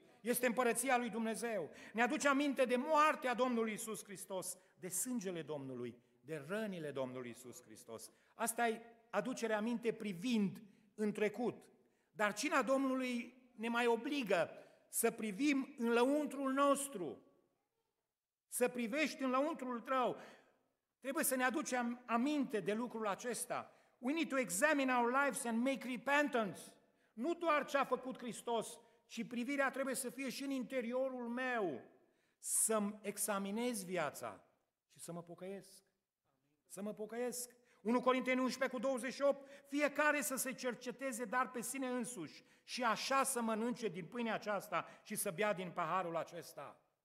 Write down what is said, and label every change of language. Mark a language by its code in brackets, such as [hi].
[ro] Este împărăția lui Dumnezeu. Ne aduce aminte de moartea Domnului Iisus Hristos, de sângele Domnului, de rănile Domnului Iisus Hristos. Asta e aducere aminte privind în trecut. Dar cina Domnului ne mai obligă să privim în lăuntrul nostru. Să privești în lăuntrul tău. Trebuie să ne aducem aminte de lucrul acesta. [en] We need to examine our lives and make repentance. [ro] Nu doar ce a făcut Hristos, ci privirea trebuie să fie și în interiorul meu. Să-mi examinez viața și să mă pocăiesc. Să mă pocăiesc. 1 Corinteni 11 cu 28, fiecare să se cerceteze dar pe sine însuși și așa să mănânce din pâinea aceasta și să bea din paharul acesta.